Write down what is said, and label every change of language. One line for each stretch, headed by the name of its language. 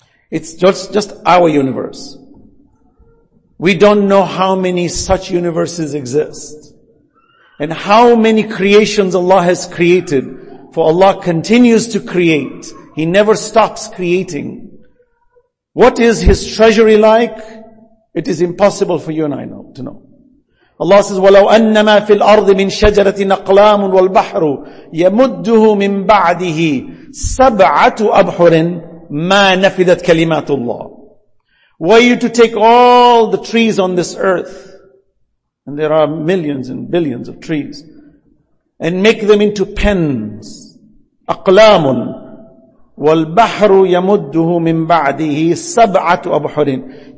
English: It's just our universe. We don't know how many such universes exist and how many creations Allah has created, for Allah continues to create. He never stops creating. What is His treasury like? It is impossible for you and I to know. Allah says,
Arabic: وَلَوْ أَنَّمَا فِي الْأَرْضِ مِنْ شَجَرَةٍ أَقْلَامٌ وَالْبَحْرُ يَمُدُّهُ مِنْ بَعْدِهِ سَبْعَةُ أَبْحُرٍ مَا نَفِدَتْ كَلِمَاتُ اللَّهِ.
English: Were you to take all the trees on this earth, and there are millions and billions of trees, and make them into pens,
Arabic: أَقْلَامٌ وَالْبَحْرُ يَمُدُّهُ مِنْ بَعْدِهِ سَبْعَةُ أَبْحُرٍ.